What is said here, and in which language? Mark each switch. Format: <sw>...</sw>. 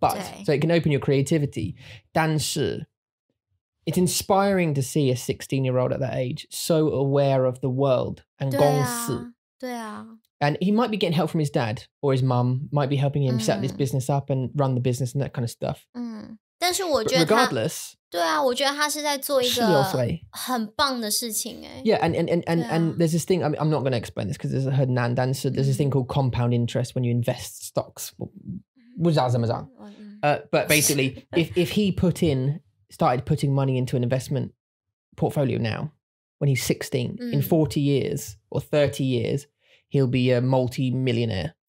<en>But so it can open your creativity. 但是, it's inspiring to see a 16-year-old at that age so aware of the world and 公司.</en> <zh>对啊.</zh> <en>And he might be getting help from his dad or his mum, might be helping him set this business up and run the business and that kind of stuff.</en> <zh>但是我觉得他, but</zh> <en>regardless,</en> <zh>对啊, 我觉得他是在做一个很棒的事情耶.</zh> <en>Yeah, and there's this thing, I mean, I'm not going to explain this because it's a heard nan dan, so there's this thing called compound interest when you invest stocks. But basically, if he put in, started putting money into an investment portfolio now, when he's 16, in 40 years or 30 years, he'll be a multi-millionaire.</en>